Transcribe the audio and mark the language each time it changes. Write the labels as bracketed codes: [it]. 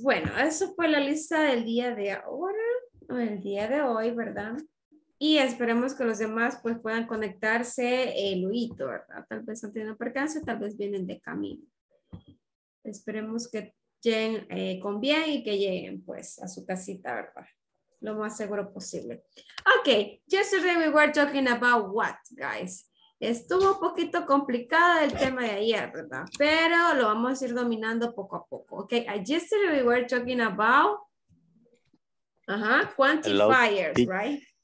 [es] Bueno, eso fue la lista del día de ahora, o el día de hoy, ¿verdad? Y esperemos que los demás pues puedan conectarse el luito, ¿verdad? Tal vez han tenido percance, tal vez vienen de camino. Esperemos que lleguen con bien y que lleguen pues a su casita, ¿verdad? Lo más seguro posible. [en] Ok, yesterday we were talking about what, guys. [es] Estuvo un poquito complicado el tema de ayer, ¿verdad? Pero lo vamos a ir dominando poco a poco. [en] Ok, yesterday we were talking about quantifiers, right?